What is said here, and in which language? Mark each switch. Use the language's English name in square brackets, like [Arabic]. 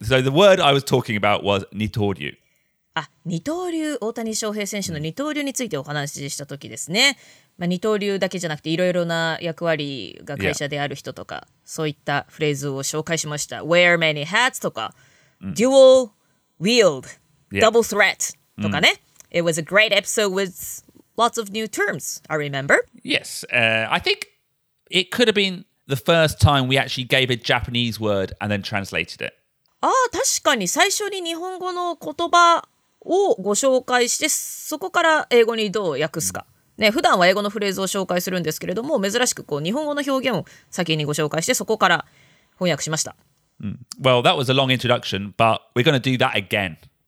[English] So the word I was talking about was 二刀流。 [Japanese] あ、二刀流、大谷翔平選手の二刀流についてお話ししたときですね。まあ、二刀流だけじゃなくていろいろな役割が会社である人とか、 [English] yeah. [Japanese] そういったフレーズを紹介しました。 [English] Wear many hats [Japanese] とか、 [English] Dual wield, double threat [Japanese] とかね。 [English] It was a great episode with lots of new terms, I remember. Yes,I think it could have been the first time we actually gave a Japanese word and then translated it. [Japanese] ああ、確かに最初に日本語の言葉をご紹介して、そこから英語にどう訳すか、ね、普段は英語のフレーズを紹介するんですけれども珍しくこう日本語の表現を先にご紹介してそこから翻訳しました、 [English] Well, that was a long introduction, but we're going to do that again.